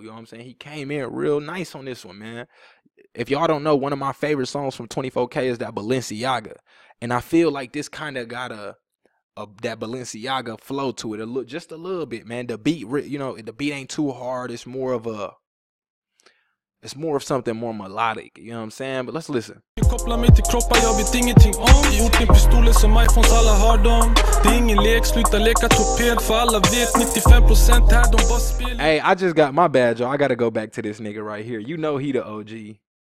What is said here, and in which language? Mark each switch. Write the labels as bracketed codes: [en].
[en] You know what I'm saying? He came in real nice on this one, man. If y'all don't know, one of my favorite songs from 24K is that Balenciaga. And I feel like this kind of got that Balenciaga flow to it. Just a little bit, man. The beat, you know, the beat ain't too hard. It's more of a... It's more of something more melodic, you know what I'm saying? But let's listen. [sv] Du kopplar mig till kroppar, jag vet ingenting om. Orten pistoler som iPhones, alla har dem. Det är ingen lek, sluta leka torped. För alla vet, 95% här, de bara spelar. [en] Hey, I just got my badge, y'all. I gotta go back to this nigga right here. You know he the OG.